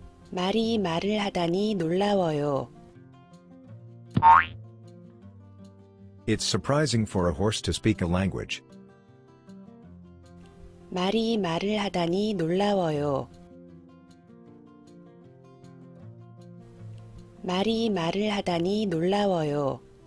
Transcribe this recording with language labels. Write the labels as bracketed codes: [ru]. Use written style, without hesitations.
[ko] 말이 말을 하다니 놀라워요. [en] It's surprising for a horse to speak a language. [ko] 말이 말을 하다니 놀라워요. 말이 말을 하다니 놀라워요.